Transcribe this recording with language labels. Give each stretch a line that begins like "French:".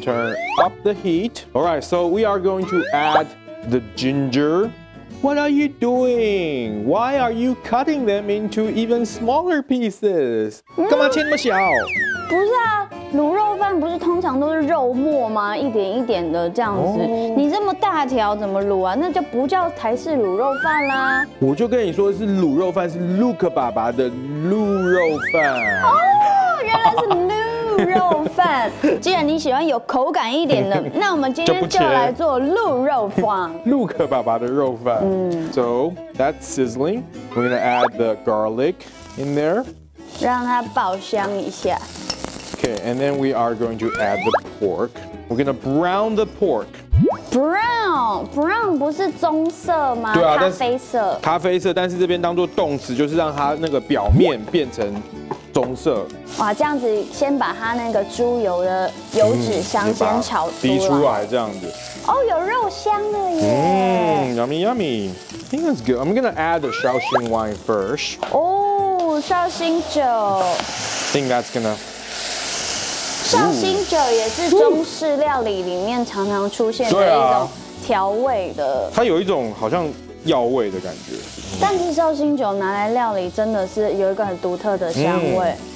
English: Turn up the heat. All right, so we are going to add the ginger. What are you doing? Why are you cutting them into even smaller pieces?
Chinese: 干嘛切那么小？不是啊，卤肉饭不是通常都是肉末吗？一点一点的这样子，你这么大条怎么卤啊？那就不叫台式卤肉饭啦。我就跟你说是卤肉饭，是 Luke 爸爸的卤肉饭。哦，原来是卤肉饭。既然你喜欢有口感一点的，那我们今天就来做卤肉饭。 Luke 爸爸的肉饭。嗯。
English: So that's sizzling. We're gonna add the garlic in there.
Chinese: 让它爆香一下。
English: Okay, and then we are going to add the pork. We're going to brown the pork.
Chinese: Brown 不是棕色吗？对啊，咖啡色。咖啡色，但是这边当作动词，就是让它那个表面变成棕色。哇，这样子先把它那个猪油的油脂香先炒出来，滴出来这样子。哦，有肉香了耶。
English: 嗯 ，yummy yummy. I think that's good. I'm going to add the Shaoxing wine first.
Chinese: 哦，绍兴酒。
English: I think that's gonna.
Chinese: 绍兴酒也是中式料理里面常常出现的一种调味的，它有一种好像药味的感觉。但是绍兴酒拿来料理真的是有一个很独特的香味。